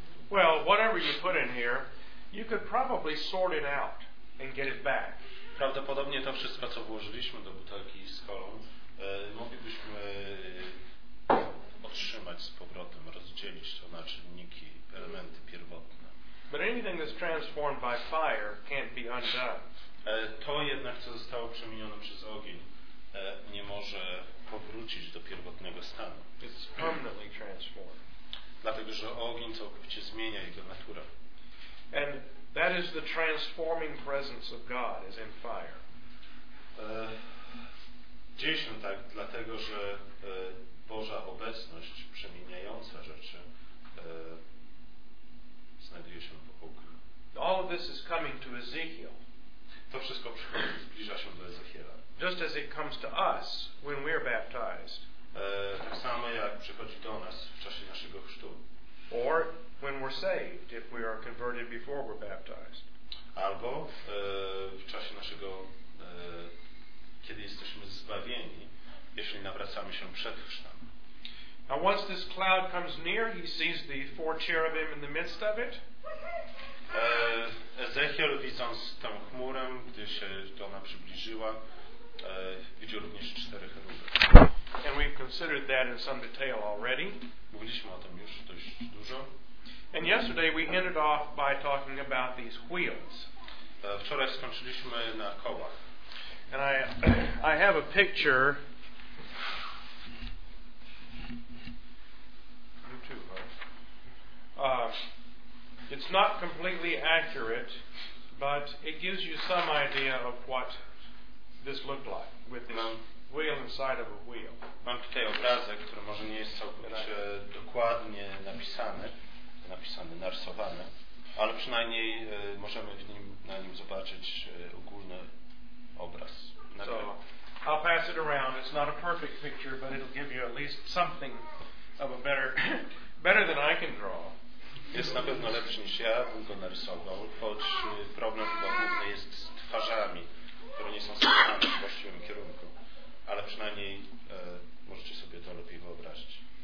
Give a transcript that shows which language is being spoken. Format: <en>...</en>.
<en>Well, whatever you put in here, you could probably sort it out and get it back.</en> <pl>Prawdopodobnie to wszystko, co włożyliśmy do butelki z kolą, moglibyśmy otrzymać z powrotem, rozdzielić to na czynniki, elementy pierwotne.</pl> <en>But anything that's transformed by fire can't be undone.</en> <pl>To jednak, co zostało przemienione przez ogień, nie może powrócić do pierwotnego stanu.</pl> <en>It's permanently transformed.</en> <pl>Dlatego, że ogień całkowicie zmienia jego naturę.</pl> <en>And that is the transforming presence of God, is in fire.</en> <pl>Dzieje się tak, dlatego, że Boża obecność przemieniająca rzeczy znajduje się w ogniu.</pl> <en>All of this is coming to Ezekiel.</en> <pl>To wszystko przychodzi, zbliża się do Ezechiela.</pl> <en>Just as it comes to us when we're baptized.</en> <pl>Tak samo jak przychodzi do nas w czasie naszego chrztu.</pl> <en>Or when we're saved, if we are converted before we're baptized.</en> <pl>Albo w czasie naszego, kiedy jesteśmy zbawieni, jeśli nawracamy się przed chrztem.</pl> <en>Now once this cloud comes near, he sees the four cherubim in the midst of it.</en> <pl>Ezechiel, widząc tę chmurę, gdy się ona przybliżyła, gdzie również cztery cheruby.</pl> <en>And we've considered that in some detail already.</en> <pl>Mówiliśmy o tym już dość dużo.</pl> <en>And yesterday we ended off by talking about these wheels.</en> <pl>Wczoraj skończyliśmy na kołach.</pl> <en>And I have a picture. You too, huh? It's not completely accurate, but it gives you some idea of what this looked like with this wheel inside of a wheel.</en> <pl>Mam tutaj obrazek, który może nie jest całkowicie dokładnie napisany, narysowany, ale przynajmniej możemy w nim, na nim zobaczyć ogólny obraz.</pl> <en>So I'll pass it around. It's not a perfect picture, but it'll give you at least something of a better than I can draw.</en> <pl>Jest na pewno lepszy niż ja bym go narysował, choć problem chyba główny jest z twarzami, które nie są skierowane w właściwym kierunku. Ale przynajmniej możecie sobie to lepiej wyobrazić.</pl>